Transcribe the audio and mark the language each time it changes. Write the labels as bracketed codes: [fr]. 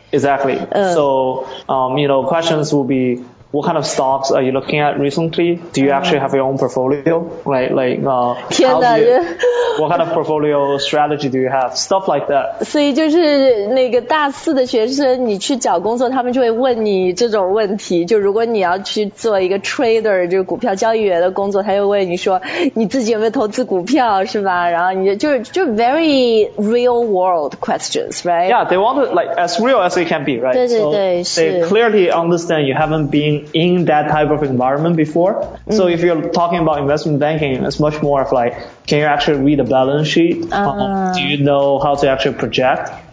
[en] Exactly, so、you know, questions will beWhat kind of stocks are you looking at recently? Do you actually have your own portfolio? Right, like, what kind of portfolio strategy do you have? Stuff like that. [zh] 所以就是那个大四的学生，你去找工作，他们就会问你这种问题。就如果你要去做一个 trader， 就是股票交易员的工作，他又问你说你自己有没有投资股票，是吧？然后你就 [en] very real world questions, right? Yeah, they want to, like, as real as they can be, right? [zh] 对对对，是。 [en] So they clearly understand you haven't beenin that type of environment before. So if you're talking about investment banking, it's much more of like, can you actually read a balance sheet? Do you know how to actually project?